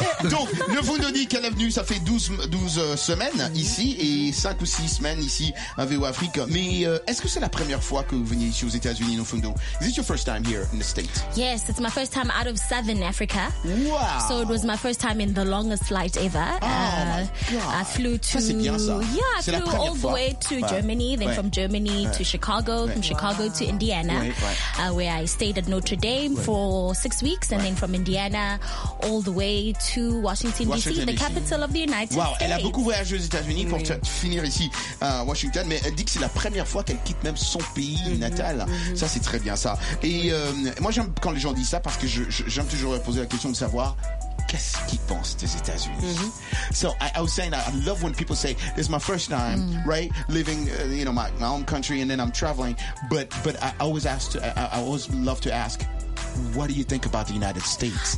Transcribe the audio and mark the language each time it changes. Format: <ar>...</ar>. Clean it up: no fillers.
<fr>Donc, le Fundo dit qu'elle est venue, ça fait 12 semaines ici et 5 ou 6 semaines ici à VOA Afrique. Mais est-ce que c'est la première fois que vous venez ici aux États-Unis, le Fundo?</fr> <en>Is it your first time here in the States? Yes, it's my first time out of Southern Africa. Wow! So it was my first time in the longest flight ever. Oh my God! I flew to...</en> <fr>Ça, c'est bien ça.</fr> <en>Yeah,</en> <fr>c'est</fr> <en>I flew all the way to Germany, then from Germany to Chicago, from Chicago to Indiana, where I stayed at Notre Dame for 6 weeks, and then from Indiana all the way to Washington D.C., the capital of the United States.</en> <fr>Wow, elle a beaucoup voyagé aux États-Unis pour finir ici à Washington, mais elle dit que c'est la première fois qu'elle quitte même son pays natal. Ça, c'est très bien ça. Et moi, j'aime quand les gens disent ça parce que j'aime toujours poser la question de savoir qu'est-ce qu'ils pensent des États-Unis.</fr> <en>So, I was saying, I love when people say, this is my first time, right, living, you know, my own country, and then I'm traveling. But I always ask, I always love to ask, what do you think about the United States?</en>